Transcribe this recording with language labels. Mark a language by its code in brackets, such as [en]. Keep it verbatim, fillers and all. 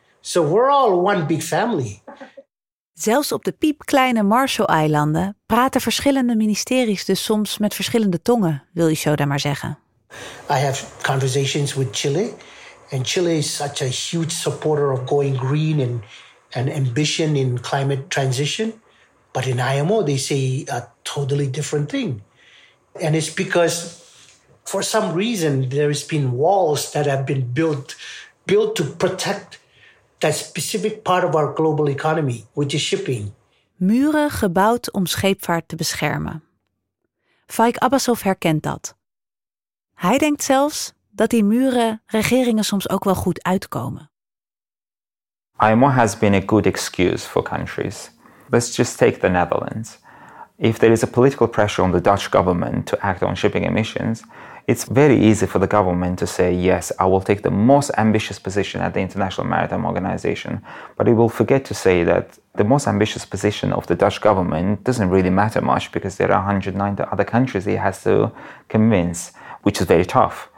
[en] So we're all one big family. [nl] Zelfs op de piepkleine Marshall-eilanden praten verschillende ministeries dus soms met verschillende tongen, wil Ishoda maar zeggen. [en] I have conversations with Chile And Chile is such a huge supporter of going green and, and ambition in climate transition. But in I M O, they say a totally different thing. And it's because for some reason, there's been walls that have been built, built to protect that specific part of our global economy, which is shipping. [nl] Muren gebouwd om scheepvaart te beschermen. Faik Abbasov herkent dat. Hij denkt zelfs dat die muren regeringen soms ook wel goed uitkomen. [en] I M O has been a good excuse for countries. Let's just take the Netherlands. If there is a political pressure on the Dutch government to act on shipping emissions, it's very easy for the government to say, yes, I will take the most ambitious position at the International Maritime Organization, but it will forget to say that the most ambitious position of the Dutch government doesn't really matter much because there are one hundred nine other countries it has to convince, which is very tough.